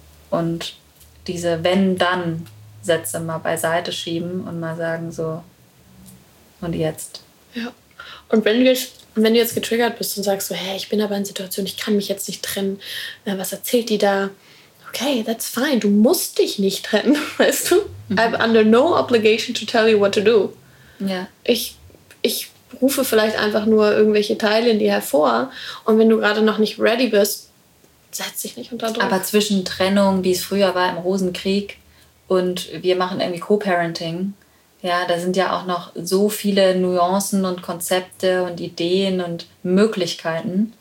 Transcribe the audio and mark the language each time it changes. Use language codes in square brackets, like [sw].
[de] Und diese Wenn-Dann-Sätze mal beiseite schieben und mal sagen so, und jetzt. Ja. Und wenn du jetzt getriggert bist und sagst so, hey, ich bin aber in Situation, ich kann mich jetzt nicht trennen, was erzählt die da? [en] Okay, that's fine. [de] Du musst dich nicht trennen, weißt du? [en] I'm under no obligation to tell you what to do. [de] Ja. Ich rufe vielleicht einfach nur irgendwelche Teile in dir hervor. Und wenn du gerade noch nicht ready bist, setz dich nicht unter Druck. Aber zwischen Trennung, wie es früher war im Rosenkrieg, und wir machen irgendwie Co-Parenting, ja, da sind ja auch noch so viele Nuancen und Konzepte und Ideen und Möglichkeiten.